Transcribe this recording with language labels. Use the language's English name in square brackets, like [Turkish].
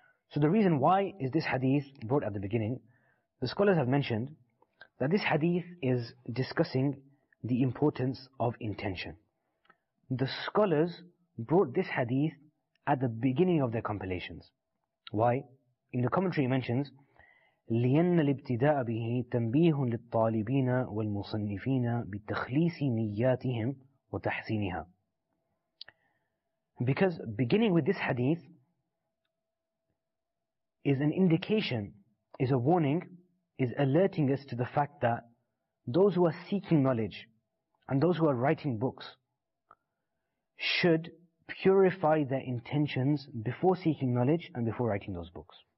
[English] So the reason why is this hadith brought at the beginning, the scholars have mentioned that this hadith is discussing the importance of intention. The scholars brought this hadith at the beginning of their compilations. Why? In the commentary it mentions, [Arabic] لِيَنَّ الْإِبْتِدَاءَ بِهِ تَنْبِيهٌ لِلطَّالِبِينَ وَالْمُصَنِّفِينَ بِتَخْلِيسِ نِيَّاتِهِمْ وَتَحْسِينِهَا. [English] Because beginning with this hadith is an indication, is a warning, is alerting us to the fact that those who are seeking knowledge and those who are writing books should purify their intentions before seeking knowledge and before writing those books.